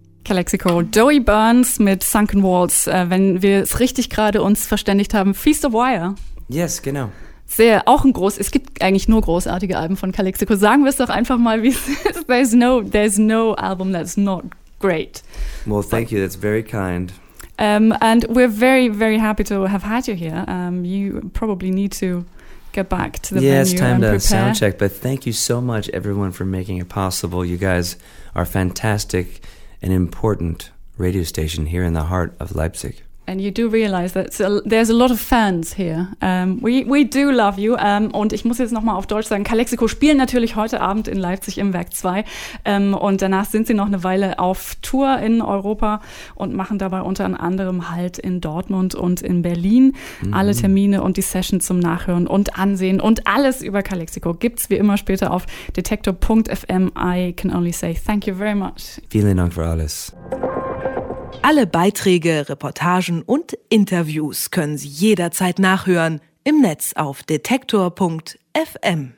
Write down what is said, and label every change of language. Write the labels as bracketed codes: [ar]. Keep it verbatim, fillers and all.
[de] Calexico, Joey Burns mit Sunken Walls, äh, wenn wir es richtig gerade uns verständigt haben, Feast of Wire. [en] Yes, [de] genau. Sehr, auch ein groß, es gibt eigentlich nur großartige Alben von Calexico. Sagen wir es doch einfach mal, wie es ist. [en] There's no, there's no album that's not great. Well, thank you, that's very kind. Um, and we're very, very happy to have had you here. Um, you probably need to get back to the yeah, venue it's time and to prepare. Sound check, but thank you so much, everyone, for making it possible. You guys are fantastic and important radio station here in the heart of Leipzig. And you do realize that so there's a lot of fans here. Um, we, we do love you. [de] Um, und ich muss jetzt nochmal auf Deutsch sagen, Calexico spielen natürlich heute Abend in Leipzig im Werk zwei. Um, und danach sind sie noch eine Weile auf Tour in Europa und machen dabei unter anderem Halt in Dortmund und in Berlin. Mhm. Alle Termine und die Session zum Nachhören und Ansehen und alles über Calexico gibt's wie immer später auf detektor dot f m. [en] I can only say thank you very much. [de] Vielen Dank für alles. Alle Beiträge, Reportagen und Interviews können Sie jederzeit nachhören im Netz auf detektor dot f m.